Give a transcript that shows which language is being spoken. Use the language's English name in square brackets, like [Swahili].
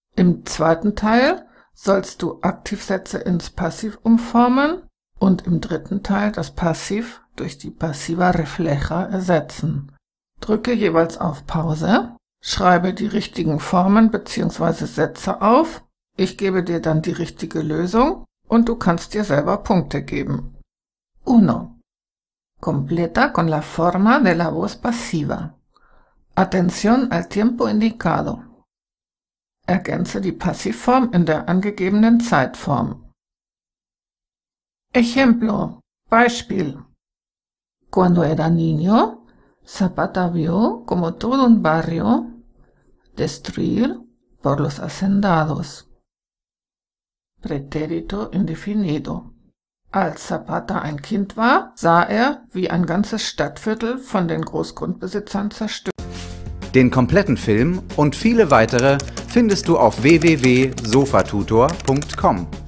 [German] Im zweiten Teil sollst du Aktivsätze ins Passiv umformen und im dritten Teil das Passiv durch die Passiva Refleja ersetzen. Drücke jeweils auf Pause, schreibe die richtigen Formen bzw. Sätze auf, ich gebe dir dann die richtige Lösung und du kannst dir selber Punkte geben. [Spanish] Uno. Completa con la forma de la voz pasiva. Atención al tiempo indicado. [German] Ergänze die Passivform in der angegebenen Zeitform. [Spanish] Ejemplo. [German] Beispiel. [Spanish] Cuando era niño, Zapata vio como todo un barrio destruir por los hacendados. Pretérito indefinido. [German] Als Zapata ein Kind war, sah er, wie ein ganzes Stadtviertel von den Großgrundbesitzern zerstört. Den kompletten Film und viele weitere findest du auf www.sofatutor.com.